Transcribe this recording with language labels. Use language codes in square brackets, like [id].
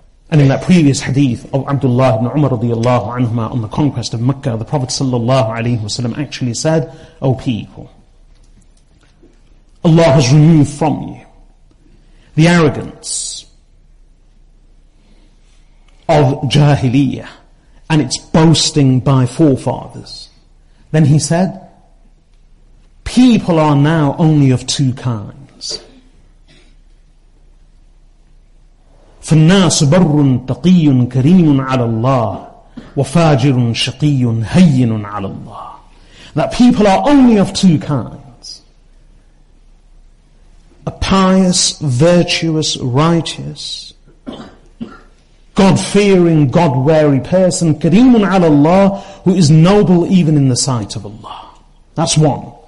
[en] And in that previous hadith of Abdullah ibn Umar radiallahu anhuma on the conquest of Mecca, the Prophet sallallahu alayhi wa sallam actually said, O people, Allah has removed from you the arrogance of Jahiliyyah and its boasting by forefathers. Then he said, people are now only of two kinds. [ar] فالناس بر تقي كريم على الله وفاجر شقي هين على الله. [en] That people are only of two kinds. A pious, virtuous, righteous, God-fearing, God-wary person, [ar] كريم على الله, [en] who is noble even in the sight of Allah. That's one.